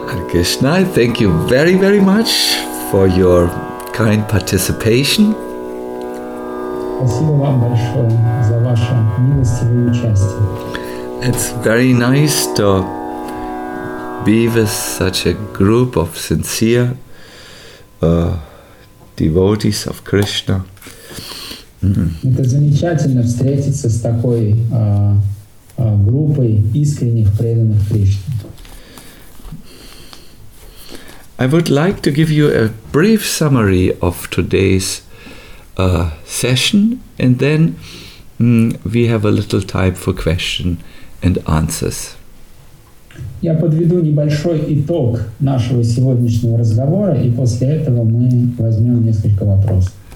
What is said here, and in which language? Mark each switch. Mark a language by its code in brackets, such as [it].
[en] Krishna, thank you very, very much for your kind participation. [ru] Спасибо вам большое за ваше милостивое участие. [en] It's very nice to be with such a group of sincere devotees of Krishna. [ru] Это замечательно встретиться с такой группой искренних преданных Кришне. [en] I would like to give you a brief summary of today's session, and then we have a little time for question and answers. [ru] Я подведу небольшой итог нашего сегодняшнего разговора, и после этого мы возьмем несколько вопросов.